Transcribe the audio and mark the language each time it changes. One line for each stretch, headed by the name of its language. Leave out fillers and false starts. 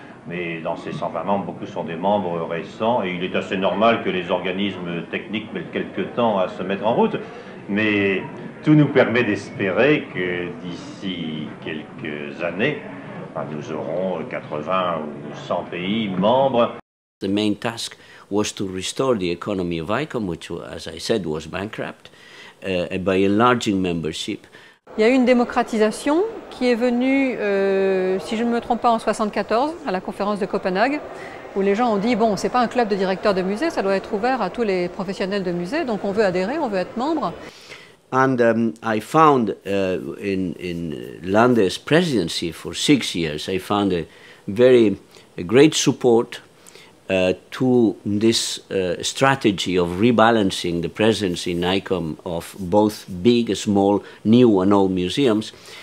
French: Mais dans ces 120 membres, beaucoup sont des membres récents et il est assez normal que les organismes techniques mettent quelques temps à se mettre en route. Mais tout nous permet d'espérer que d'ici quelques années, nous aurons 80 ou 100 pays membres.
English: The main task was to restore the economy of ICOM, which, as I said, was bankrupt, by enlarging membership.
French: Il y a eu une démocratisation qui est venue, si je ne me trompe pas, en 1974, à la conférence de Copenhague, où les gens ont dit « bon, ce n'est pas un club de directeurs de musée, ça doit être ouvert à tous les professionnels de musée, donc on veut adhérer, on veut être membre. »
English: And I found in Lande's presidency for six years, I found a great support to this strategy of rebalancing the presence in ICOM of both big, small, new and old museums.